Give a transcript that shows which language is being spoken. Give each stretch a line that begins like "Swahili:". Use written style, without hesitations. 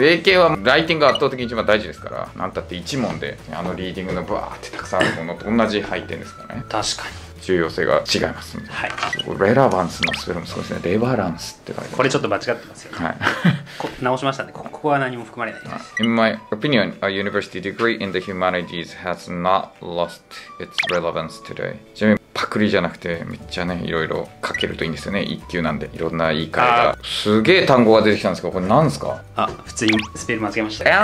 Japanese: 英系はライティングが圧倒的に一番大事ですから、なんたって1問であのリーディングのブワーってたくさんあるものと同じ入ってるんですからね。確かに重要性が違いますので、はい、レラバンスのスペルもそうですね。レバランスって書いてある。これちょっと間違ってますよ、ね、はい、直しましたね。ここは何も含まれない、はい、
English: In my opinion, a university degree in the humanities has not lost its relevance today.
Japanese: ちなみにパクリじゃなくてめっちゃね、いろいろ書けるといいんですよね。一級なんでいろんな言い換えが、すげえ単語が出てきたんですけど、これ何ですか。あ、普通にスペル間違えました。